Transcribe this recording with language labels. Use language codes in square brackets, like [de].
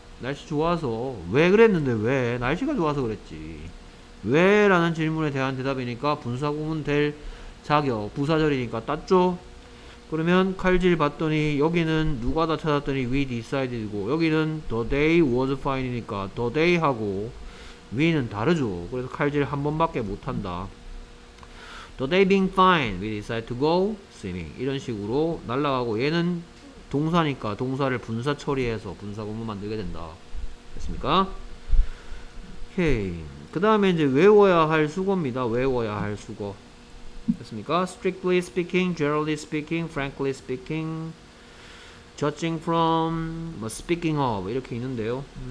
[ko] 날씨 좋아서 왜 그랬는데 왜 날씨가 좋아서 그랬지 왜 라는 질문에 대한 대답이니까 분사구문 될 자격 부사절이니까 땄죠. 그러면 칼질 봤더니 여기는 누가 다 찾았더니 [en] we decided [ko] 이고 여기는 [en] the day was fine [ko] 이니까 the day 하고 we는 다르죠. 그래서 칼질 한 번밖에 못한다. [en] The day being fine, we decided to go swimming. [ko] 이런 식으로 날아가고 얘는 동사니까 동사를 분사 처리해서 분사구문 만들게 된다. 됐습니까? 오케이. 그 다음에 이제 외워야 할 수거입니다. 외워야 할 수거. 됐습니까? [en] Strictly speaking, generally speaking, frankly speaking, judging from, speaking of [ko] 이렇게 있는데요.